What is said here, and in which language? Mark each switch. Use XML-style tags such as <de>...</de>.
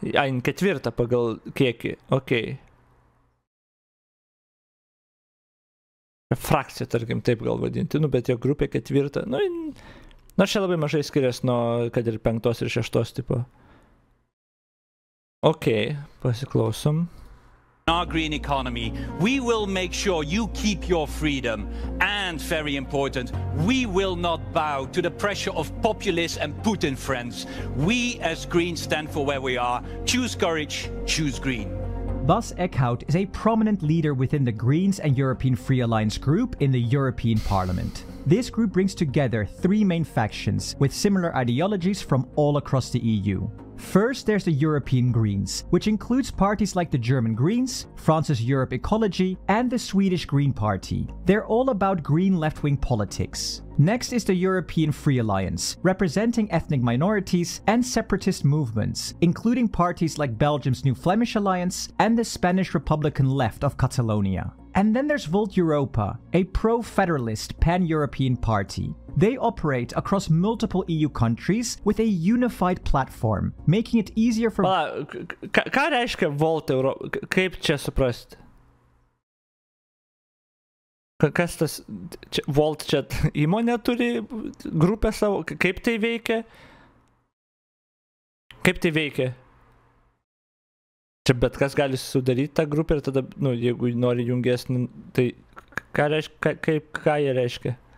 <lt>Ai, ketvirta pagal kiekį, ok. Frakcija, tarkim, taip gal vadinti, nu, bet jo grupė ketvirta. Nu, nors čia labai mažai skiriasi nuo, kad ir penktos ir šeštos tipo. Okay, pasiklausom.</lt> <en>In our green economy, we will make sure you keep your freedom. And very important, we will not bow to the pressure of populists and Putin friends. We as Greens stand for where we are. Choose courage, choose green. Bas Eckhout is a prominent leader within the Greens and European Free Alliance group in the European Parliament. This group brings together three main factions with similar ideologies from all across the EU. First, there's the European Greens, which includes parties like the German Greens, France's Europe Ecology, and the Swedish Green Party. They're all about green left-wing politics. Next is the European Free Alliance, representing ethnic minorities and separatist movements, including parties like Belgium's New Flemish Alliance and the Spanish Republican Left of Catalonia. And then there's Volt Europa, a pro-federalist pan-European party. They operate across multiple EU countries with a unified platform, making it easier for...</en> <lt>Pala, ką reiškia Volt Europa? Kaip čia suprasti? Kas tas... Volt čia įmonė turi grupę savo? Kaip tai veikia? Kaip tai veikia? Čia bet kas gali sudaryti tą grupę ir tada, nu, jeigu nori jungesnį, tai ką reiškia, ką jie reiškia?</lt>